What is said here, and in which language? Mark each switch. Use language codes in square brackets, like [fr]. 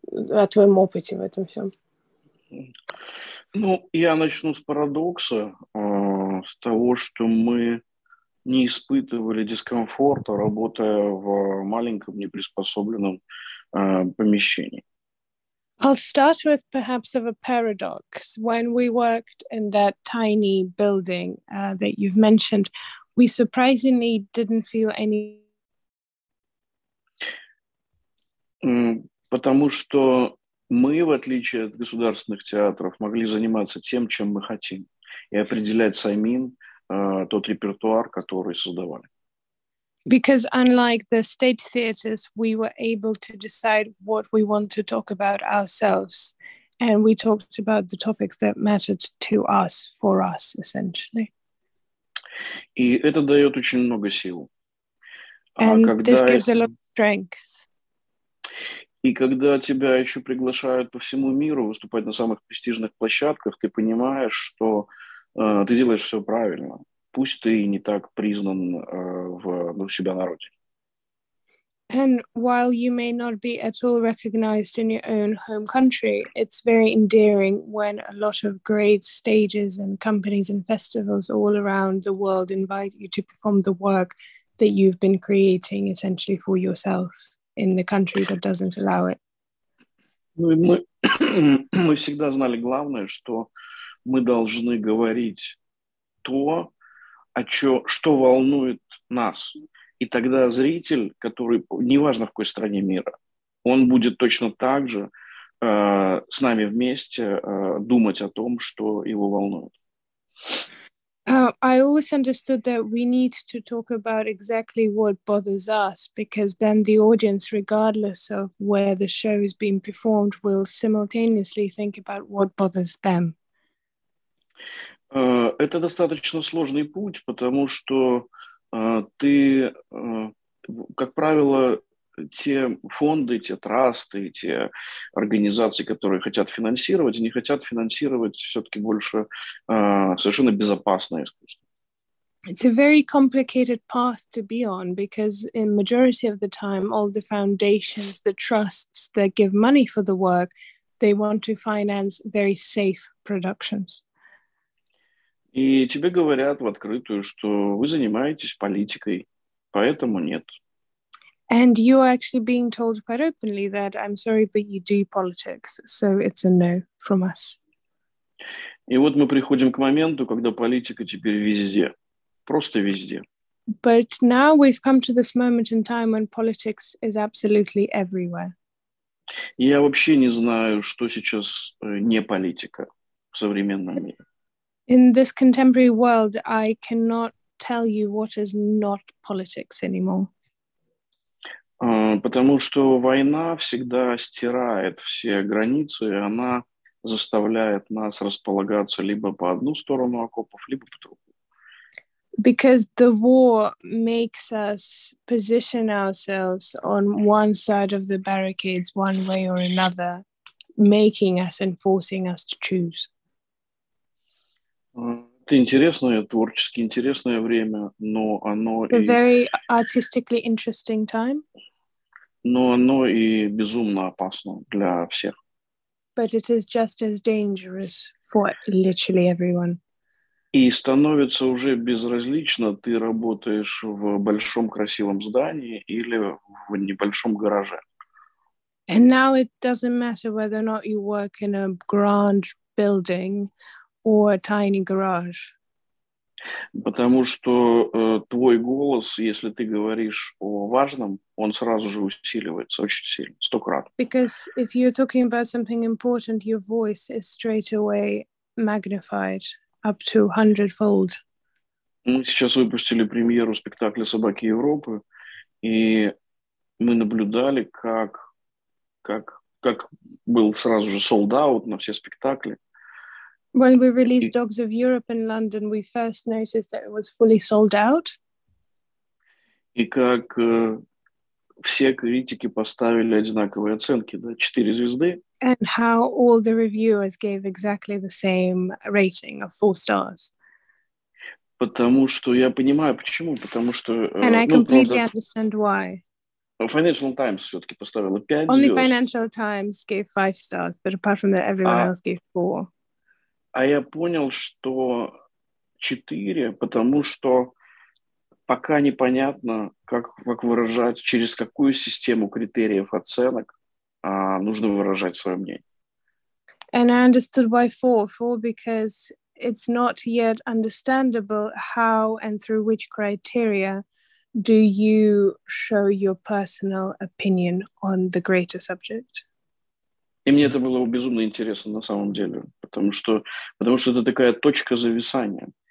[ru] о твоем опыте в этом всем? Ну, я начну с парадокса, с того, что мы не испытывали дискомфорта, работая в маленьком неприспособленном помещении. [en] I'll start with perhaps of a paradox. When we worked in that tiny building that you've mentioned, we surprisingly didn't feel any... [ru] Потому что мы, в отличие от государственных театров, могли заниматься тем, чем мы хотим, и определять самим тот репертуар, который создавали. [en] Because unlike the state theaters, we were able to decide what we want to talk about ourselves, and we talked about the topics that mattered to us, for us, essentially. [ru] И это дает очень много сил. [en] And this gives a lot of strength. [ru] И когда тебя еще приглашают по всему миру выступать на самых престижных площадках, ты понимаешь, что ты делаешь все правильно, пусть ты и не так признан у себя на родине. [en] And while you may not be at all recognized in your own home country, it's very endearing when a lot of great stages and companies and festivals all around the world invite you to perform the work that you've been creating essentially for yourself. In the country that doesn't allow it. [ru] Мы всегда знали главное, что мы должны говорить то, что волнует нас. И тогда зритель, который, неважно в какой стране мира, он будет точно так же с нами вместе думать о том, что его волнует. [en] I always understood that we need to talk about exactly what bothers us, because then the audience, regardless of where the show is being performed, will simultaneously think about what bothers them. [ru] Это достаточно сложный путь, потому что ты как правило, те фонды, те трасты, те организации, которые хотят финансировать, они хотят финансировать все-таки больше совершенно безопасное искусство. [en] It's a very complicated path to be on because in majority of the time, all the foundations, the trusts that give money for the work, they want to finance very safe productions. [ru] И тебе говорят в открытую, что вы занимаетесь политикой, поэтому нет. [en] And you are actually being told quite openly that I'm sorry, but you do politics, so it's a no from us. [ru] И вот мы приходим к моменту, когда политика теперь везде. Просто везде. [en] But now we've come to this moment in time when politics is absolutely everywhere. [ru] Я вообще не знаю, что сейчас не политика в современном мире. [en] In this contemporary world, I cannot tell you what is not politics anymore. [ru] Потому что война всегда стирает все границы, и она заставляет нас располагаться либо по одну сторону окопов, либо по другую. [en] Because the war makes us position ourselves on one side of the barricades, one way or another, making us and forcing us to choose. [ru] Это интересное, творчески интересное время, но оно [en] и... A very artistically interesting time. [ru] Но оно и безумно опасно для всех. [en] But it is just as dangerous for literally everyone. [ru] И становится уже безразлично, ты работаешь в большом красивом здании или в небольшом гараже. [en] And now it doesn't matter whether or not you work in a grand building or a tiny garage. [ru] Потому что твой голос, если ты говоришь о важном, он сразу же усиливается очень сильно, 100 крат. [en] Because if you're talking about something important, your voice is straight away magnified. Up to 100-fold. [ru] Мы сейчас выпустили премьеру спектакля «Собаки Европы», и мы наблюдали, как был сразу же sold-out на все спектакли. [en] When we released «Dogs of Europe» in London, we first noticed that it was fully sold out. [ru] И как все критики поставили одинаковые оценки, да, 4 звезды. [en] And how all the reviewers gave exactly the same rating of 4 stars. [ru] Потому что я понимаю, почему. Потому что, [en] and I completely understand why. [ru] Financial Times все-таки поставила 5 [en] Only [ru] звезд. [en] Only Financial Times gave 5 stars, but apart from that, everyone else gave 4. [ru] А я понял, что 4, потому что пока непонятно, как выражать, через какую систему критериев оценок нужно выражать свое мнение. [en] And I understood why 4, because it's not yet understandable how and through which criteria do you show your personal opinion on the greater subject. [ru] И мне это было безумно интересно на самом деле, потому что это такая точка зависания.